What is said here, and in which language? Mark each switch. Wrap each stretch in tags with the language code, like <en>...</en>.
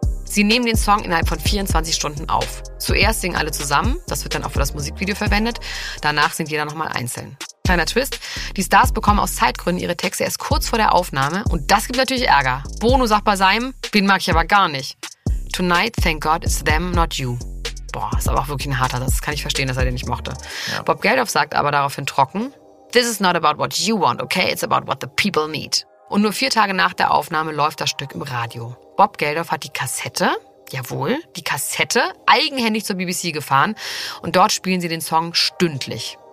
<de>Sie nehmen den Song innerhalb von 24 Stunden auf. Zuerst singen alle zusammen, das wird dann auch für das Musikvideo verwendet. Danach singt jeder nochmal einzeln. Kleiner Twist, die Stars bekommen aus Zeitgründen ihre Texte erst kurz vor der Aufnahme und das gibt natürlich Ärger. Bono sagt bei seinem, den mag ich aber gar nicht.</de> <en>Tonight, thank God, it's them, not you.</en> <de>Boah, ist aber auch wirklich ein harter Satz, das kann ich verstehen, dass er den nicht mochte. Ja. Bob Geldof sagt aber daraufhin trocken,</de> <en>this is not about what you want, okay, it's about what the people need.</en> <de>Und nur 4 Tage nach der Aufnahme läuft das Stück im Radio. Bob Geldof hat die Kassette, jawohl, die Kassette, eigenhändig zur BBC gefahren und dort spielen sie den Song stündlich.</de>